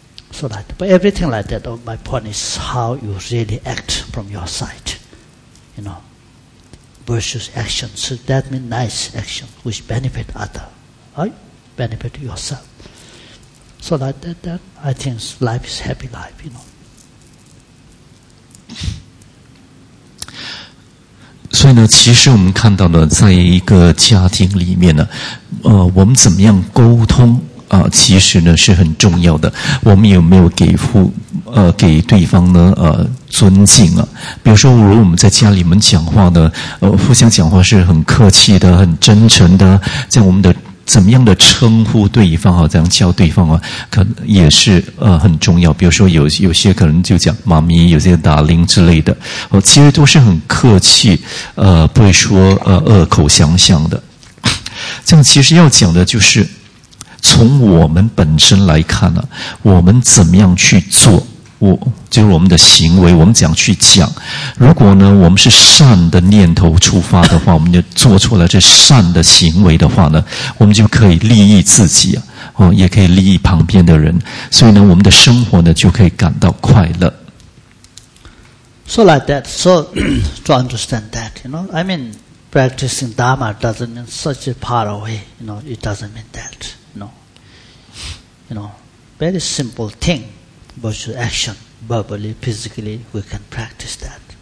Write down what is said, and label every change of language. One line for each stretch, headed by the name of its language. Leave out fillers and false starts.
English: So that, but everything like that, oh, my point is how you really act from your side, you know, versus action. So that means nice action, which benefit other, right? Benefit yourself. So like that, that I think life is happy life, you know.
Chinese: So, 呢，其实我们看到呢，在一个家庭里面呢，我们怎么样沟通啊，其实呢是很重要的。我们有没有给对方呢尊敬啊？比如说，如果我们在家里面讲话呢，互相讲话是很客气的、很真诚的，在我们的怎么样的称呼对方啊，怎样叫对方啊，可也是很重要。比如说有些可能就讲妈咪，有些打铃之类的，其实都是很客气，不会说恶口相向的。这样其实要讲的就是，从我们本身来看呢，我们怎么样去做，就是我们的行为，我们怎样去讲。如果呢，我们是善的念头出发的话，我们就做出了这善的行为的话呢，我们就可以利益自己啊，也可以利益旁边的人。所以呢，我们的生活呢，就可以感到快乐。
English: So like that, so to understand that, you know, I mean, practicing Dharma doesn't mean such a part of it, you know, it doesn't mean that, you know, very simple thing. Virtual action, verbally, physically, we can practice that.